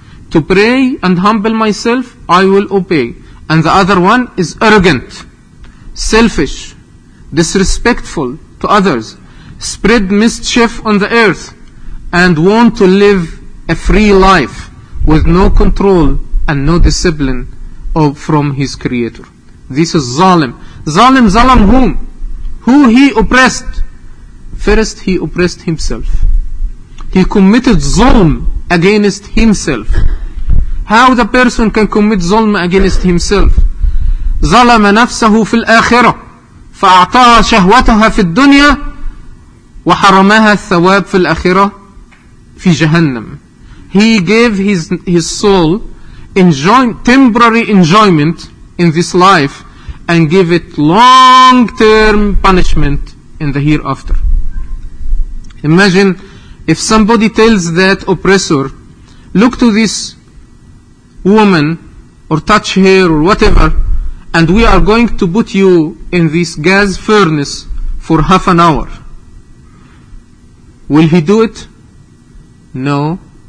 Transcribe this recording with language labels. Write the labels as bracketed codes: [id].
[en] To pray and humble myself? I will obey. And the other one is arrogant, selfish, disrespectful to others, spread mischief on the earth, and want to live a free life with no control and no discipline from his Creator. This is Zalim. Zalim, Zalim whom? Who he oppressed? First, he oppressed himself. He committed zulm against himself. How the person can commit zulm against himself? [ar] ظلم نفسه في الآخرة فأعطى شهوتها في الدنيا وحرمها الثواب في الآخرة في جهنم. [en] He gave his soul temporary enjoyment in this life and give it long-term punishment in the hereafter. Imagine if somebody tells that oppressor, look to this woman or touch her or whatever, and we are going to put you in this gas furnace for half an hour. Will he do it? No.